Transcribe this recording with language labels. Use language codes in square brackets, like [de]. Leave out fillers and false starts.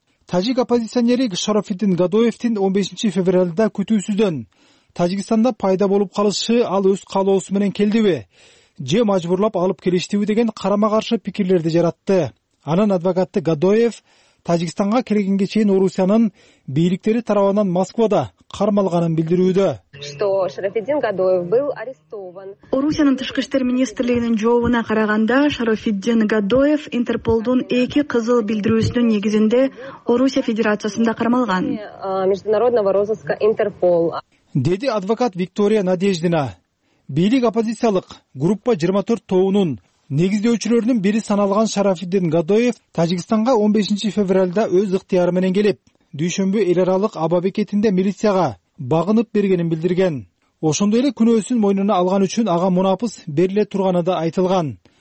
[ky] Тажик оппозиционери Шарафиддин Гадоевдин 15 февралда күтүүсүздөн Тажикстанда пайда болуп калышы ал өз каалоосу менен келдиби же мажбурлап алып келиштиби деген карама каршы пикирлерди жаратты. Анын адвокаты Гадоев Тажикстанга келгенге чейин Орусиянын бийликтери тарабынан Москвада кармалганын билдирүүдө. [ru] Что Шарафиддин Гадоев был арестован. [ky] Орусиянын тышкы иштер министрлигинин жообуна караганда Шарафиддин Гадоев Интерполдун 2 кызыл билдирүүсүнүн негизинде Орусия Федерациясында кармалган. [ru] Международного розыска Интерпол. [ky] Деди адвокат Виктория Надеждина. Бийлик оппозициялык группа 24 тобунун негиздөөчүлөрүнүн бири саналган Шарафиддин Гадоев Тажикстанга 15 февралда өз ыктыяры менен келип, дүйшөмбү эл аралык аба бекетинде милицияга багынып бергенин билдирген. Ошондой эле күнөөсүн мойнуна алган үчүн ага мунапыс бериле турганы да айтылган.